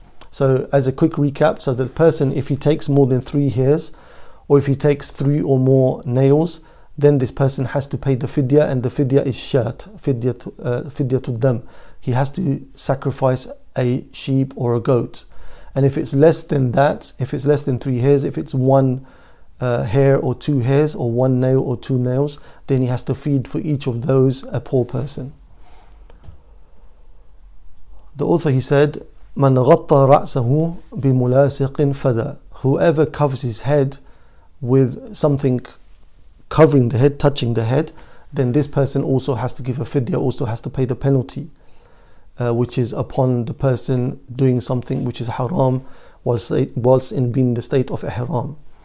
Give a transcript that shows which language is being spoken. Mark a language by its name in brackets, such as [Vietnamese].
[English] So as a quick recap, so the person, if he takes more than three hairs, or if he takes three or more nails, then this person has to pay the fidya, and the fidya is shat, fidya to dam. He has to sacrifice a sheep or a goat. And if it's less than that, if it's less than three hairs, if it's one hair or two hairs, or one nail or two nails, then he has to feed for each of those a poor person. The author, he said, [Arabic] مَنْ غَطَّ رَأْسَهُ بِمُلَاسِقٍ فَدَى. [English] Whoever covers his head with something covering the head, touching the head, then this person also has to give a fidya, also has to pay the penalty, which is upon the person doing something which is haram whilst in being the state of ihram.